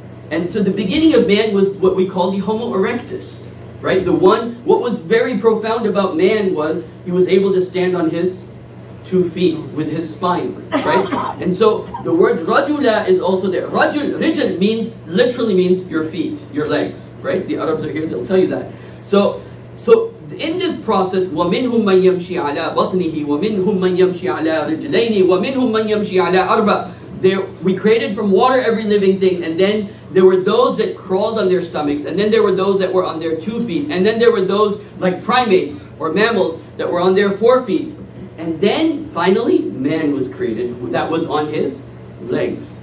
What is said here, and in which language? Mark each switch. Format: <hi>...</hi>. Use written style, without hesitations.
<en>And so the beginning of man was what we call the Homo erectus. Right? The one, what was very profound about man was he was able to stand on his two feet with his spine, right? And so the word rajula is also there. Rajul means, literally means your feet, your legs, right? The Arabs are here, they'll tell you that. So in this process,</en> <ar>وَمِنْهُمْ مَنْ يَمْشِي عَلَىٰ بَطْنِهِ وَمِنْهُمْ مَنْ يَمْشِي عَلَىٰ رِجْلَيْنِ وَمِنْهُمْ مَنْ يَمْشِي عَلَىٰ أَرْبَىٰ.</ar> <en>There, we created from water every living thing, and then there were those that crawled on their stomachs, and then there were those that were on their two feet, and then there were those like primates or mammals that were on their four feet. And then, finally, man was created that was on his legs.</en>